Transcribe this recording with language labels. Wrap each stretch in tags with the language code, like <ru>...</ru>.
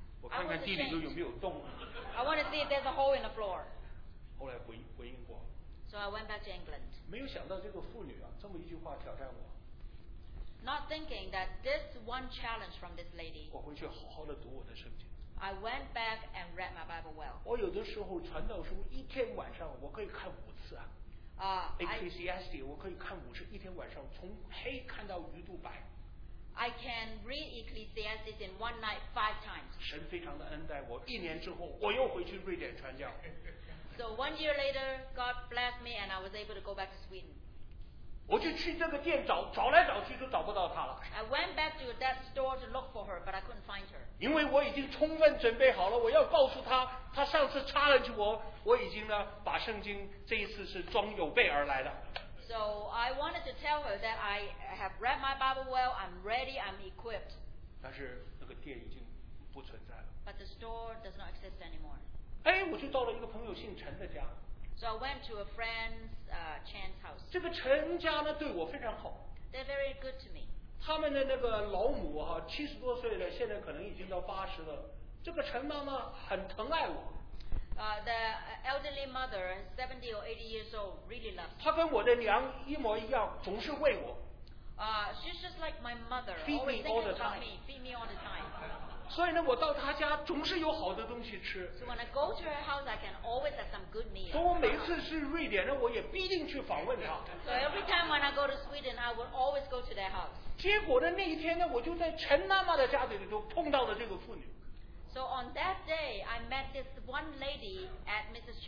<zh>我看看地里头有没有洞。</zh> <en>I want to see if there's a hole in the floor.</en> <zh>后来回英国。</zh> <en>So I went back to England.</en> <zh>没有想到这个妇女啊，这么一句话挑战我。</zh> <en>Not thinking that this one challenge from this lady.</en> <zh>我回去好好的读我的圣经。</zh> <en>I went back and read my Bible well.</en> <zh>我有的时候传道书一天晚上我可以看五次啊。 Ecclesiastes 我可以看五次，一天晚上从黑看到鱼肚白。</zh> <en>I can read Ecclesiastes in one night five times.</en> <zh>神非常的恩待我，一年之后我又回去瑞典传教。</zh> <en>So one year later, God blessed me and I was able to go back to Sweden.</en> <zh>我就去这个店找，找来找去都找不到她了。</zh> <en>I went back to that store to look for her, but I couldn't find her.</en> <zh>因为我已经充分准备好了，我要告诉她，她上次 challenge 我，我已经呢把圣经这一次是装有备而来的。</zh> <en>So I wanted to tell her that I have read my Bible well, I'm ready, I'm equipped.</en> <zh>但是那个店已经不存在了。</zh> <en>But the store does not exist anymore.</en> <zh>哎，我就到了一个朋友姓陈的家。</zh> <en>So I went to a friend's Chan's house.</en> <zh>这个陈家呢对我非常好。</zh> <en>They're very good to me.</en> <zh>他们的那个老母哈，七十多岁了，现在可能已经到八十了。这个陈妈妈很疼爱我。</zh> <en>The elderly mother, 70 or 80 years old, really loves me.</en> <zh>她跟我的娘一模一样，总是喂我。</zh> <en>She's just like my mother. Feed me all the time. Feed me all the time.</en> <zh>所以呢，我到他家总是有好的东西吃。</zh> <en>So when I go to her house, I can always have some good meal.</en> <zh>所以我每次去瑞典呢，我也必定去访问他。</zh> <en>So every time when I go to Sweden, I would always go to their house.</en> <zh>结果呢，那一天呢，我就在陈妈妈的家里头碰到了这个妇女。</zh> <en>So on that day, I met this one lady at Mrs.</en>